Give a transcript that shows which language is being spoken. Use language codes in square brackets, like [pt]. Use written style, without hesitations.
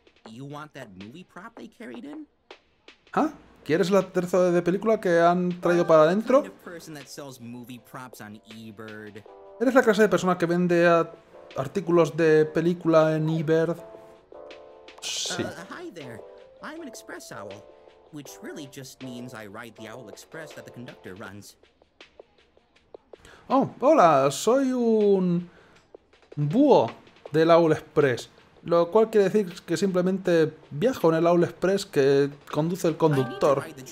[en] You want that movie prop they carried in? ¿Ah? [es] ¿Quieres la terza de película que han traído para adentro? [en] Kind of person that sells movie props on eBird. [es] ¿Eres la clase de persona que vende artículos de película en Iberd. Sí. [en] Hi there. I'm an express owl, which really just means I ride the owl express that the conductor runs. [es] Oh, hola, soy un búho del Owl Express, lo cual quiere decir que simplemente viajo en el Owl Express que conduce el conductor.